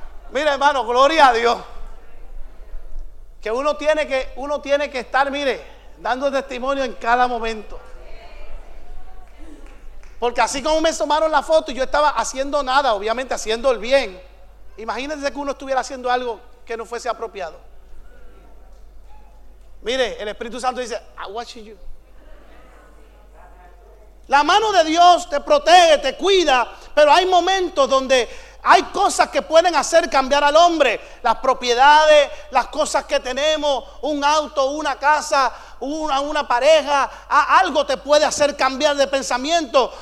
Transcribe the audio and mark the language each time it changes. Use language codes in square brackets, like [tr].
[es] Mira, hermano, gloria a Dios. Que uno tiene que estar, mire, dando testimonio en cada momento. Porque así como me tomaron la foto y yo estaba haciendo nada, obviamente haciendo el bien. Imagínense que uno estuviera haciendo algo que no fuese apropiado. Mire, el Espíritu Santo dice, [en] I watch you. [es] La mano de Dios te protege, te cuida, pero hay momentos donde hay cosas que pueden hacer cambiar al hombre. Las propiedades, las cosas que tenemos, un auto, una casa, una pareja, algo te puede hacer cambiar de pensamiento.